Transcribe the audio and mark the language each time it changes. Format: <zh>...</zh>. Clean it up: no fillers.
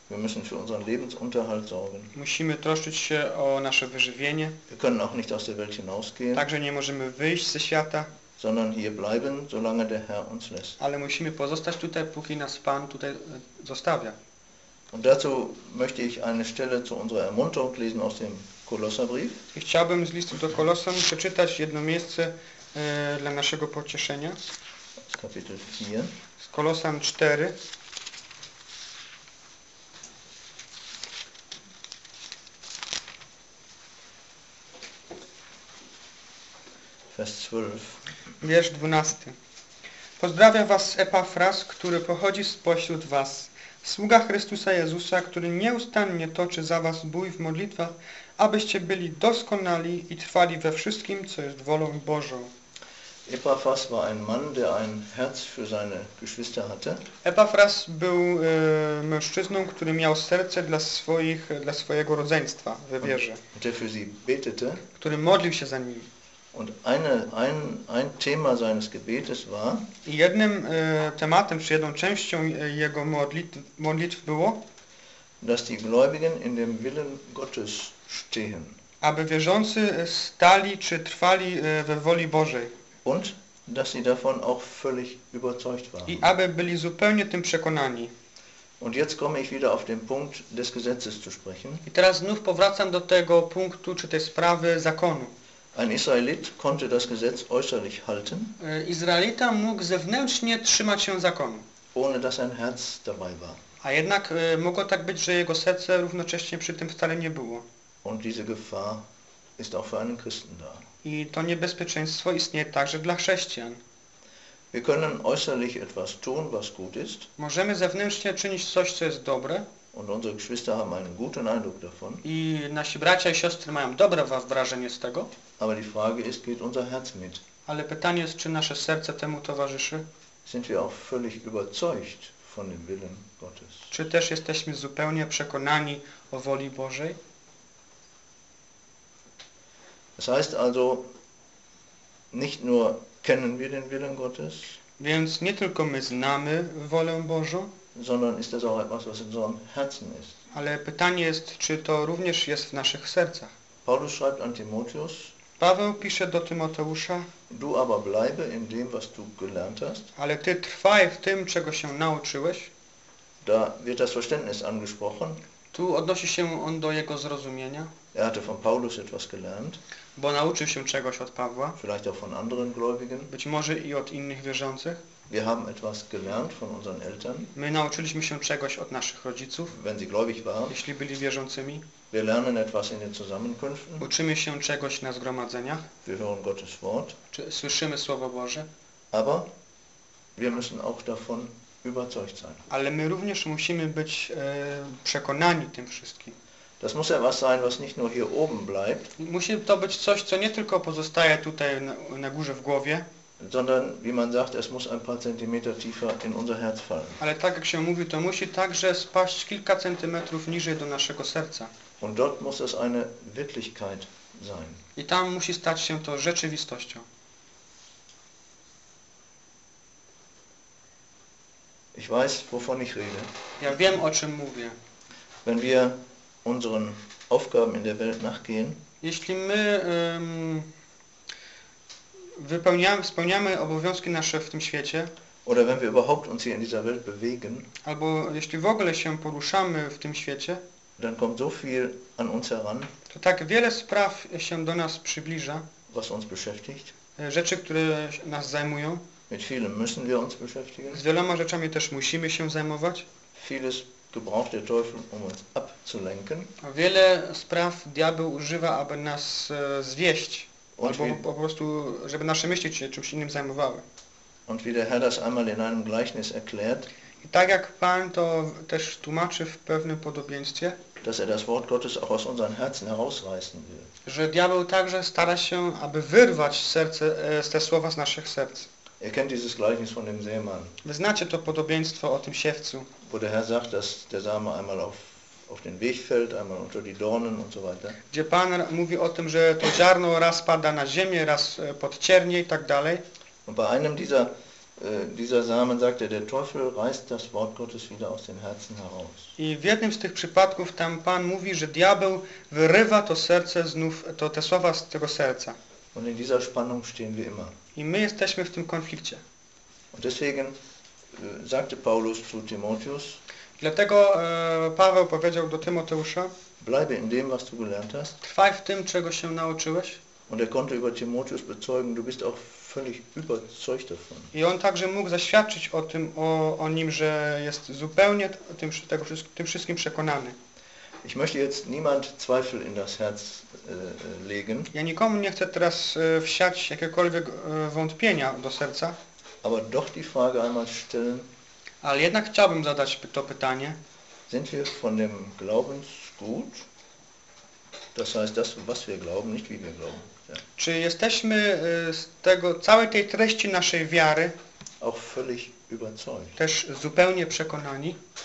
<de>Wir müssen für unseren Lebensunterhalt sorgen.</de> <pl>Musimy troszczyć się o nasze wyżywienie.</pl> <de>Wir können auch nicht aus der Welt hinausgehen.</de> <pl>Także nie możemy wyjść ze świata.</pl> <de>Sondern hier bleiben, solange der Herr uns lässt.</de> <pl>Ale musimy pozostać tutaj, póki nas Pan tutaj zostawia.</pl> <de>Und dazu möchte ich eine Stelle zu unserer Ermunterung lesen aus dem Kolosserbrief.</de> <pl>Ich chciałbym z listu do Kolosan przeczytać jedno miejsce dla naszego pocieszenia. Z kapitel 4. Z Kolosan 4.</pl> <de>Vers 12.</de> <pl>Wiersz 12. Pozdrawiam was Epafras, który pochodzi spośród was, sługa Chrystusa Jezusa, który nieustannie toczy za was bój w modlitwach, abyście byli doskonali i trwali we wszystkim, co jest wolą Bożą.</pl> <de>Epafras war ein Mann, der ein Herz für seine Geschwister hatte.</de> <pl>Epafras był mężczyzną, który miał serce dla swoich, dla swojego rodzeństwa we wierze.</pl> <de>Und der für sie betete.</de> <pl>Który modlił się za nimi.</pl> <de>Und ein Thema seines Gebetes war.</de> <pl>I jednym tematem, czy jedną częścią jego modlitw było,</pl> <de>dass die Gläubigen in dem Willen Gottes stehen.</de> <pl>Aby wierzący stali czy trwali we woli Bożej.</pl> <de>Und dass sie davon auch völlig überzeugt waren.</de> <pl>I aby byli zupełnie tym przekonani.</pl> <de>Und jetzt komme ich wieder auf den Punkt des Gesetzes zu sprechen.</de> <pl>I teraz znów powracam do tego punktu, czy tej sprawy zakonu.</pl> <de>Ein Israelit konnte das Gesetz äußerlich halten.</de> <pl>Izraelita mógł zewnętrznie trzymać się zakonu.</pl> <de>Ohne dass sein Herz dabei war.</de> <pl>A jednak mogło tak być, że jego serce równocześnie przy tym wcale nie było.</pl> <de>Und diese Gefahr ist auch für einen Christen da.</de> <pl>I to niebezpieczeństwo istnieje także dla chrześcijan.</pl> <de>Wir können äußerlich etwas tun, was gut ist.</de> <pl>Możemy zewnętrznie czynić coś, co jest dobre.</pl> <de>Und unsere Geschwister haben einen guten Eindruck davon.</de> <pl>I nasi bracia i siostry mają dobre wrażenie z tego.</pl> <de>Aber die Frage ist, geht unser Herz mit?</de> <pl>Ale pytanie jest, czy nasze serce temu towarzyszy?</pl> <de>Sind wir auch völlig überzeugt von dem Willen Gottes?</de> <pl>Czy też jesteśmy zupełnie przekonani o woli Bożej?</pl> <de>Das heißt also, nicht nur kennen wir den Willen Gottes,</de> <pl>więc nie tylko my znamy wolę Bożą,</pl> <de>sondern ist das auch etwas, was in unserem Herzen ist.</de> <pl>Ale pytanie jest, czy to również jest w naszych sercach.</pl> <de>Paulus schreibt an Timotheus,</de> <pl>Paweł pisze do Tymoteusza,</pl> <de>du aber bleibe in dem, was du gelernt hast,</de> <pl>ale ty trwaj w tym, czego się nauczyłeś.</pl> <de>Da wird das Verständnis angesprochen.</de> <pl>Tu odnosi się on do jego zrozumienia.</pl> <de>Er hatte von Paulus etwas gelernt.</de> <pl>Bo nauczył się czegoś od Pawła.</pl> <de>Vielleicht auch von anderen Gläubigen.</de> <pl>Być może i od innych wierzących.</pl> <de>Wir haben etwas gelernt von unseren Eltern.</de> <pl>My nauczyliśmy się czegoś od naszych rodziców.</pl> <de>Wenn sie gläubig waren.</de> <pl>Jeśli byli wierzącymi.</pl> <de>Wir lernen etwas in den Zusammenkünften.</de> <pl>Uczymy się czegoś na zgromadzeniach.</pl> <de>Wir hören Gottes Wort.</de> <pl>Czy słyszymy Słowo Boże.</pl> <de>Aber wir müssen auch davon überzeugt sein.</de> <pl>Ale my również musimy być przekonani tym wszystkim.</pl> <de>Das muss etwas sein, was nicht nur hier oben bleibt.</de> <pl>Musi to być coś, co nie tylko pozostaje tutaj na górze w głowie.</pl> <de>Sondern, wie man sagt, es muss ein paar Zentimeter tiefer in unser Herz fallen.</de> <pl>Ale tak jak się mówi, to musi także spaść kilka centymetrów niżej do naszego serca.</pl> <de>Und dort muss es eine Wirklichkeit sein.</de> <pl>I tam musi stać się to rzeczywistością.</pl> <de>Ich weiß, wovon ich rede.</de> <pl>Ja wiem, o czym mówię.</pl> <de>Wenn wir unseren Aufgaben in der Welt nachgehen.</de> <pl>Jeśli my spełniamy obowiązki nasze w tym świecie,</pl> <de>oder wenn wir überhaupt uns hier in dieser Welt bewegen,</de> <pl>albo jeśli w ogóle się poruszamy w tym świecie,</pl> <de>dann kommt so viel an uns heran,</de> <pl>to tak wiele spraw się do nas przybliża,</pl> <de>was uns beschäftigt.</de> <pl>Rzeczy, które nas zajmują.</pl> <de>Mit vielen müssen wir uns beschäftigen.</de> <pl>Z wieloma rzeczami też musimy się zajmować.</pl> <de>Vieles gebraucht der Teufel, um uns abzulenken.</de> <pl>Wiele spraw diabeł używa, aby nas zwieść. Und albo po prostu, żeby nasze myśli się czymś innym zajmowały.</pl> <de>Und wie der Herr das einmal in einem Gleichnis erklärt,</de> <pl>i tak jak Pan to też tłumaczy w pewnym podobieństwie,</pl> <de>dass er das Wort Gottes auch aus unseren Herzen herausreißen will.</de> <pl>Że diabeł także stara się, aby wyrwać serce, te słowa z naszych serc.</pl> <de>Ihr kennt dieses Gleichnis von dem Sämann.</de> <pl>Wy znacie to podobieństwo o tym siewcu.</pl> <de>Wo der Herr sagt, dass der Same einmal auf den Weg fällt, einmal unter die Dornen und so weiter.</de> <pl>Gdzie Pan mówi o tym, że to ziarno raz pada na ziemię, raz pod ciernie i tak dalej.</pl> <de>Und bei einem dieser Samen sagt er, der Teufel reißt das Wort Gottes wieder aus dem Herzen heraus.</de> <pl>I w jednym z tych przypadków tam Pan mówi, że diabeł wyrywa to serce znów, to te słowa z tego serca.</pl> <de>Und in dieser Spannung stehen wir immer.</de> <pl>I my jesteśmy w tym konflikcie.</pl> <de>Und deswegen sagte Paulus zu Timotheus.</de> <pl>Dlatego Paweł powiedział do Tymoteusza.</pl> <de>Bleibe in dem, was du gelernt hast.</de> <pl>Trwaj w tym, czego się nauczyłeś.</pl> <de>Und er konnte über Timotheus bezeugen, du bist auch völlig überzeugt davon.</de> <pl>I on także mógł zaświadczyć o tym, o nim, że jest zupełnie tym wszystkim przekonany.</pl> <de>Ich möchte jetzt niemand Zweifel in das Herz legen.</de> <pl>Ja nikomu nie chcę teraz wsiać jakiekolwiek wątpienia do serca.</pl> <de>Aber doch die Frage einmal stellen.</de> <pl>Ale jednak chciałbym zadać to pytanie.</pl> <de>Sind wir von dem Glaubensgut? Das heißt das, was wir glauben, nicht wie wir glauben. Ja.</de> <pl>Czy jesteśmy z tego całej tej treści naszej wiary?</pl> <de>Auch völlig überzeugt.</de> <pl>Też zupełnie przekonani.</pl>